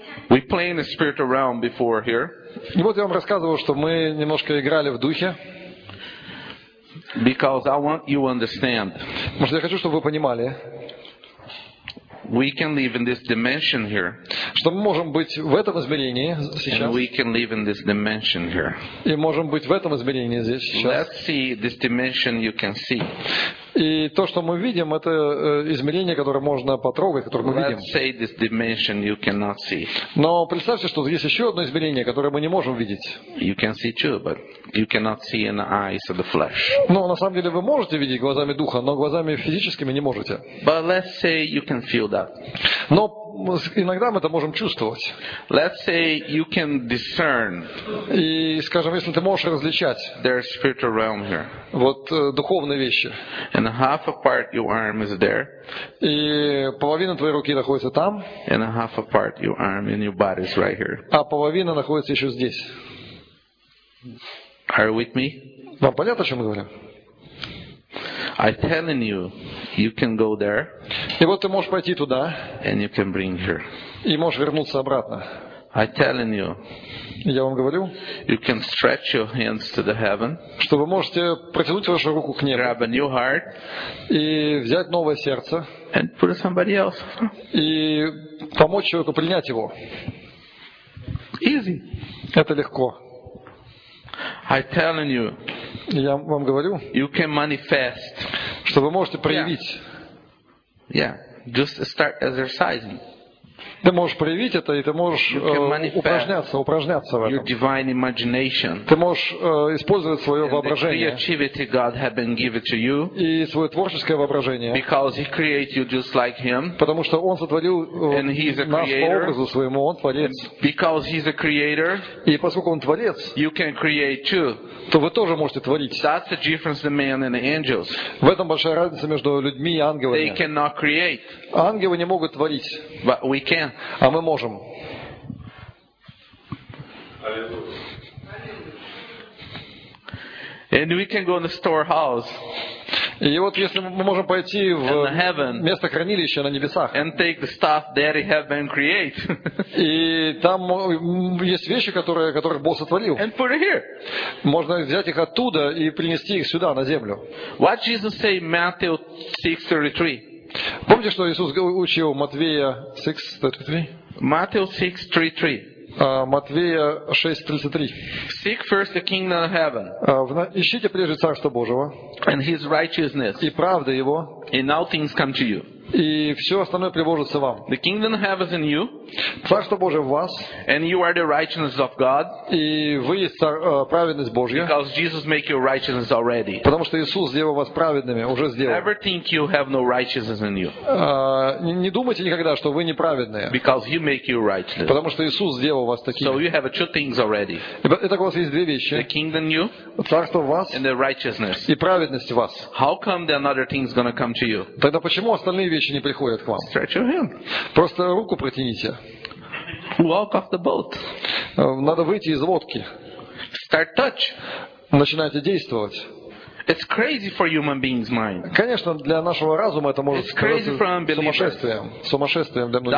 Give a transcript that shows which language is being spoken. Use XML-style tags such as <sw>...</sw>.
<en>We play in the spiritual realm before here.</en> <ru>И вот я вам рассказывал, что мы немножко играли в духе.</ru> <en>Because I want you to understand.</en> <ru>Может, я хочу, чтобы вы понимали.</ru> <en>we can live in this dimension here.</en> <ru>Что мы можем быть в этом измерении сейчас?</ru> <en>And we can live in this dimension here.</en> <ru>И можем быть в этом измерении здесь сейчас.</ru> <en>Let's see this dimension you can see.</en> <ru>И то, что мы видим, это измерение, которое можно потрогать, которое мы видим.</ru> <en>Let's say this dimension you cannot see.</en> <ru>Но представьте, что есть еще одно измерение, которое мы не можем видеть.</ru> <en>You can see too, but you cannot see in the eyes of the flesh.</en> <ru>Но на самом деле вы можете видеть глазами духа, но глазами физическими не можете.</ru> <en>But let's say you can feel that.</en> <ru>Но иногда мы это можем чувствовать.</ru> <en>Let's say you can discern.</en> <ru>И, скажем, если ты можешь различать.</ru> <en>There's spiritual realm here.</en> <ru>Вот духовные вещи.</ru> <en>And half a part your arm is there.</en> <ru>И половина твоей руки находится там.</ru> <en>And half a part your arm and your body is right here.</en> <ru>А половина находится еще здесь.</ru> <en>Are you with me?</en> <ru>Вам понятно, о чем мы говорим?</ru> <en>I'm telling you, you can go there.</en> <ru>И вот ты можешь пойти туда.</ru> <en>And you can bring here.</en> <ru>И можешь вернуться обратно.</ru> <en>I'm telling you.</en> <ru>Я вам говорю.</ru> <en>You can stretch your hands to the heaven.</en> <ru>Что вы можете протянуть вашу руку к небу.</ru> <en>Grab a new heart.</en> <ru>И взять новое сердце.</ru> <en>And put it somebody else.</en> <ru>И помочь человеку принять его.</ru> <en>Easy.</en> <ru>Это легко.</ru> <en>I'm telling you.</en> <ru>Я вам говорю,</ru> <en>you can manifest.</en> <ru>Что вы можете проявить.</ru> <en>Yeah. Yeah. Just start exercising.</en> <ru>Ты можешь проявить это, и ты можешь упражняться в этом.</ru> <en>Your divine imagination.</en> <ru>Ты можешь использовать свое воображение.</ru> <en>And the creativity God has been given to you.</en> <ru>И свое творческое воображение.</ru> <en>Because He created you just like Him.</en> <ru>Потому что Он сотворил нас по образу своему, Он творец.</ru> <en>Because He's a creator.</en> <ru>И поскольку Он творец,</ru> <en>you can create too.</en> <ru>То вы тоже можете творить.</ru> <en>That's the difference between man and the angels.</en> <ru>В этом большая разница между людьми и ангелами.</ru> <en>They cannot create.</en> <ru>Ангелы не могут творить.</ru> <en>But we can.</en> <ru>А мы можем.</ru> <en>And we can go in the storehouse.</en> <ru>И вот если мы можем пойти в место хранилища на небесах.</ru> <en>And take the stuff that He has been create.</en> <ru>И там есть вещи, которых Бог сотворил.</ru> <en>And put it here.</en> <ru>Можно взять их оттуда и принести их сюда на землю.</ru> <en>What Jesus say in Matthew 6:33?</en> <ru>Помните, что Иисус учил Матвея 6:33?</ru> <en>Matthew 6:33.</en> <ru>Матвея 6:33.</ru> <en>Seek first the kingdom of heaven.</en> <ru>Ищите прежде Царство Божьего.</ru> <en>And His righteousness.</en> <ru>И правда Его.</ru> <en>And all things come to you.</en> <ru>И все остальное приложится вам.</ru> <en>The kingdom of heaven is in you.</en> <ru>Царство Божие в вас.</ru> <en>And you are the righteousness of God.</en> <ru>И вы праведность Божья.</ru> <en>Because Jesus made you righteous already.</en> <ru>Потому что Иисус сделал вас праведными, уже сделал.</ru> <en>Never think you have no righteousness in you.</en> <ru>Не думайте никогда, что вы неправедные.</ru> <en>Because He made you righteous.</en> <ru>Потому что Иисус сделал вас такими.</ru> <en>So you have two things already.</en> <ru>Итак, у вас есть две вещи.</ru> <en>The kingdom you.</en> <ru>Царство в вас.</ru> <en>And the righteousness.</en> <ru>И праведность в вас.</ru> <en>How come the other things gonna come to you?</en> <ru>Тогда почему остальные вещи не приходят к вам.</ru> <en>Stretch your hand.</en> <ru>Просто руку протяните.</ru> <en>Walk off the boat.</en> <ru>Надо выйти из лодки.</ru> <en>Start touch.</en> <ru>Начинайте действовать.</ru> <en>It's crazy for human beings' mind.</en> <ru>Конечно, для нашего разума это может казаться сумасшествием. Сумасшествием для многих</ru>